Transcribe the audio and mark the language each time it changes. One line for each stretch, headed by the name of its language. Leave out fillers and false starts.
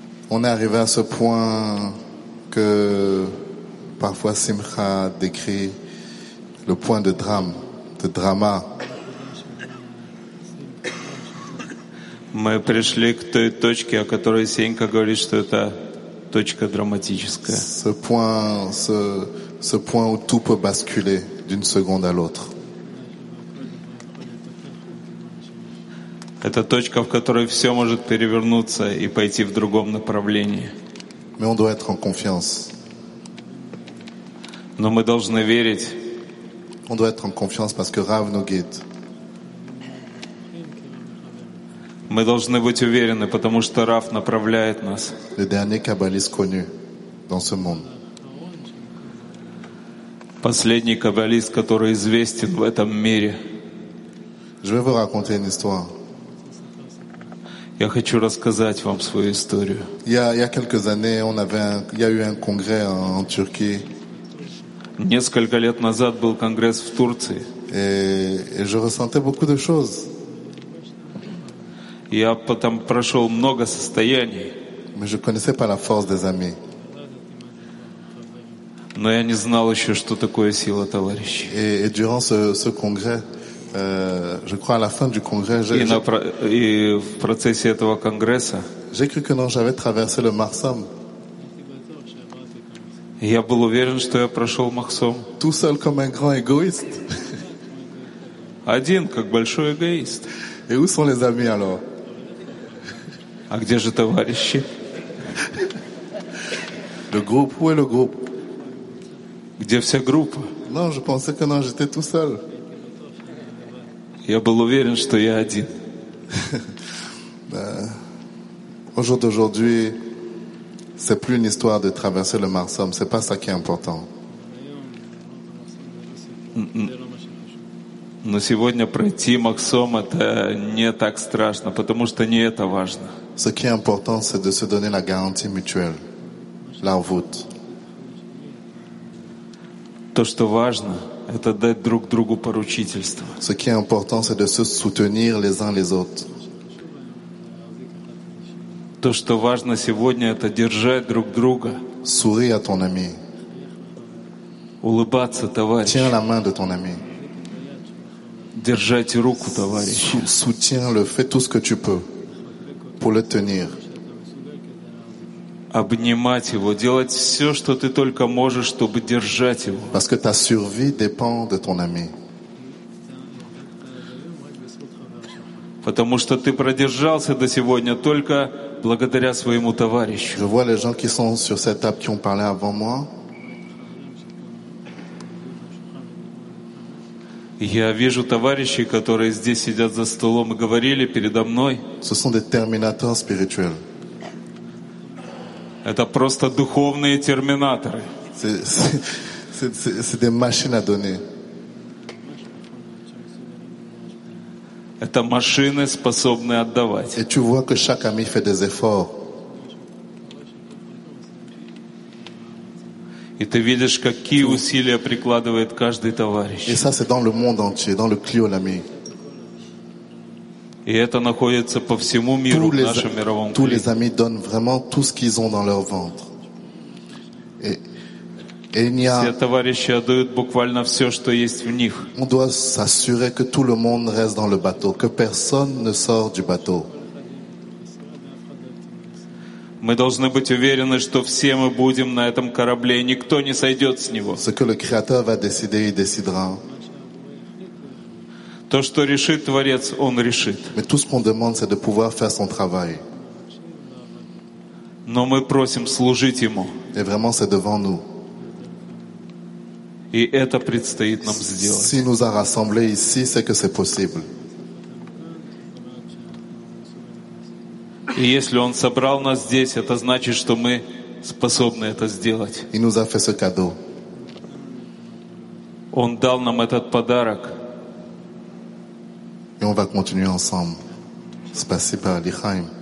French: On est arrivé à ce point que parfois Simcha décrit le point de drame, de drama.
Russian: Мы пришли к той точке, о которой Сенька говорит, что это точка драматическая.
French: Ce point, ce point où tout peut basculer d'une seconde à l'autre.
Russian: Это точка, в которой все может перевернуться и пойти в другом направлении.
French: Mais on doit être en confiance.
Russian: Но мы должны верить.
French: On doit être en confiance parce que Rav nous guide.
Russian: Мы должны быть уверены, потому что Рав направляет нас.
French: Le dernier kabbaliste connu dans ce monde.
Russian: Последний каббалист, который известен в этом мире.
French: Je vais vous raconter une histoire.
Russian: Я хочу рассказать вам свою историю.
French: Il y a quelques années, il y a eu un congrès en Turquie.
Russian: Несколько лет назад был конгресс в Турции.
French: Et je ressentais beaucoup de choses.
Russian: Я потом прошел много состояний.
French: Mais je connaissais pas la force des amis.
Russian: Но я не знал еще, что такое сила, товарищи.
French: Et durant ce congrès, je crois à la fin du congrès,
Russian: и в процессе этого конгресса,
French: j'ai cru que non, j'avais traversé le Mahsom.
Russian: Я был уверен, что я прошел Махсом.
French: Tout seul comme un grand égoïste.
Russian: Один, как большой эгоист.
French: Et où sont les amis alors?
Russian: А где же товарищи?
French: Le groupe, où est le groupe?
Russian: Где вся группа?
French: Non, je pensais que non, j'étais tout seul.
Russian: Я был уверен, что я один.
French: Au jour d'aujourd'hui, c'est plus une histoire de traverser le Mahsom, c'est pas ça qui est important.
Russian: Но сегодня пройти Махсом, это не так страшно, потому что не это важно.
French: Ce qui est important, c'est de se donner la garantie mutuelle, la route.
Russian: То, что важно, это дать друг другу поручительство.
French: Ce qui est important, c'est de se soutenir les uns les autres.
Russian: То, что важно сегодня, это держать друг друга.
French: Souris à ton ami.
Russian: Улыбаться, товарищ.
French: Tiens la main de ton ami.
Russian: Держать руку, товарищ.
French: Soutiens-le, fais tout ce que tu peux pour le tenir.
Russian: Обнимать его, делать все, что ты только можешь, чтобы держать его.
French: Parce que ta survie dépend de ton ami.
Russian: Потому что ты продержался до сегодня только благодаря своему товарищу.
French: Je vois les gens qui sont sur cette table qui ont parlé avant moi.
Russian: Я вижу товарищей, которые здесь сидят за столом и говорили передо мной.
French: Ce sont des terminators spirituels.
Russian: Это просто духовные терминаторы.
French: C'est des machines à donner.
Russian: Это машины, способные отдавать.
French: Et tu vois que chaque ami fait des efforts.
Russian: И ты видишь, какие усилия прикладывает каждый товарищ.
French: Et ça, c'est dans le monde entier, dans le Clio, l'ami.
Russian: И это находится по всему миру, в нашем мировом
French: Tous les amis donnent vraiment tout ce qu'ils ont dans leur ventre.
Russian: Все товарищи отдают буквально все, что есть в них.
French: On doit s'assurer que tout le monde reste dans le bateau, que personne ne sort du bateau.
Russian: Мы должны быть уверены, что все мы будем на этом корабле, и никто не сойдет с него.
French: Ce que le Créateur va décider, il décidera.
Russian: То, что решит Творец, Он решит.
French: Mais tout ce qu'on demande, c'est de pouvoir faire son travail.
Russian: Но мы просим служить Ему.
French: Et vraiment, c'est devant nous.
Russian: И это предстоит нам сделать.
French: Si nous a rassemblés ici, c'est que c'est possible.
Russian: И если Он собрал нас здесь, это значит, что мы способны это сделать.
French: Il nous a fait ce cadeau.
Russian: Он дал нам этот подарок.
French: Et on va continuer ensemble.
Russian: Спасибо, Лихаим.